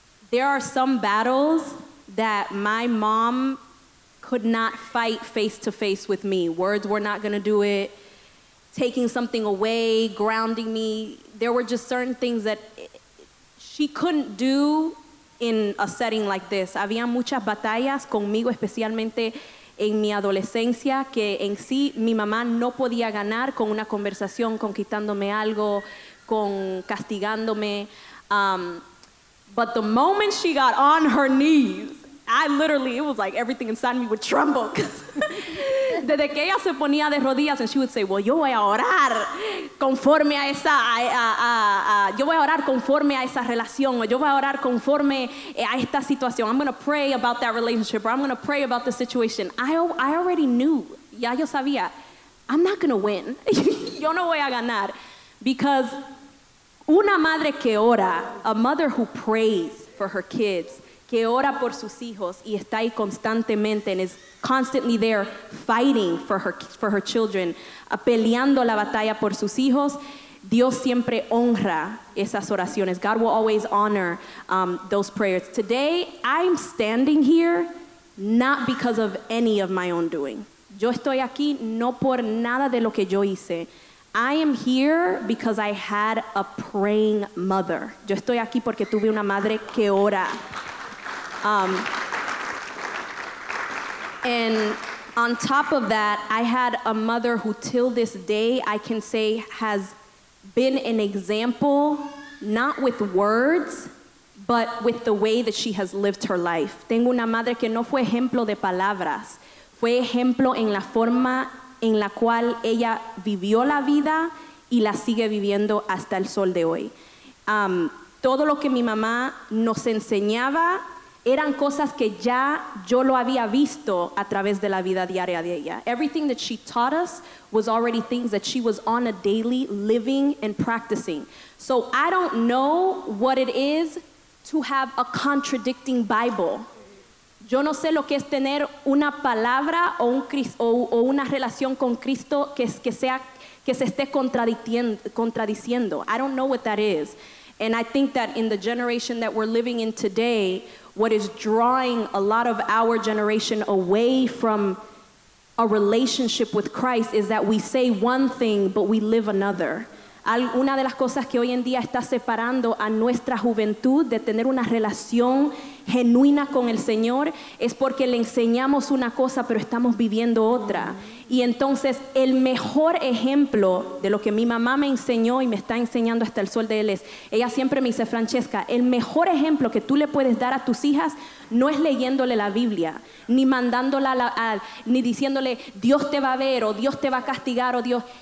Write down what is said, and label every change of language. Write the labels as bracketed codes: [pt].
[en] There are some battles that my mom could not fight face to face with me. Words were not going to do it. Taking something away, grounding me. There were just certain things that she couldn't do in a setting like this. [es] Había muchas batallas conmigo, especialmente en mi adolescencia, que en sí mi mamá no podía ganar con una conversación, con quitándome algo, con castigándome. [en] But the moment she got on her knees, I literally, it was like everything inside me would tremble. [es] Desde que ella se ponía de rodillas, [en] and she would say, well, [es] yo voy a orar conforme a esa, yo voy a orar conforme a esa relación, o yo voy a orar conforme a esta situación. [en] I'm going to pray about that relationship, or I'm going to pray about the situation. I already knew, [es] ya yo sabía, [en] I'm not going to win. [es] Yo no voy a ganar. Because una madre que ora, [en] a mother who prays for her kids, [es] que ora por sus hijos y está ahí constantemente [en] and is constantly there fighting for her children, [es] peleando la batalla por sus hijos, Dios siempre honra esas oraciones. [en] God will always honor those prayers. Today, I'm standing here not because of any of my own doing. [es] Yo estoy aquí no por nada de lo que yo hice. [en] I am here because I had a praying mother. [es] Yo estoy aquí porque tuve una madre que ora. [en] And on top of that, I had a mother who till this day, I can say, has been an example, not with words, but with the way that she has lived her life. [es] Tengo una madre que no fue ejemplo de palabras. Fue ejemplo en la forma en la cual ella vivió la vida y la sigue viviendo hasta el sol de hoy. Todo lo que mi mamá nos enseñaba eran cosas que ya yo lo había visto a través de la vida diaria de ella. [en] Everything that she taught us was already things that she was on a daily living and practicing. So I don't know what it is to have a contradicting Bible. [es] Yo no sé lo que es tener una palabra o un o una relación con Cristo que se esté contradiciendo. [en] I don't know what that is. And I think that in the generation that we're living in today, what is drawing a lot of our generation away from a relationship with Christ is that we say one thing, but we live another. [es] Una de las cosas que hoy en día está separando a nuestra juventud de tener una relación genuina con el Señor es porque le enseñamos una cosa, pero estamos viviendo otra. Y entonces, el mejor ejemplo de lo que mi mamá me enseñó y me está enseñando hasta el sol de él es, ella siempre me dice, Francesca, el mejor ejemplo que tú le puedes dar a tus hijas no es leyéndole la Biblia, ni mandándola, ni diciéndole, Dios te va a ver, o Dios te va a castigar, o Dios...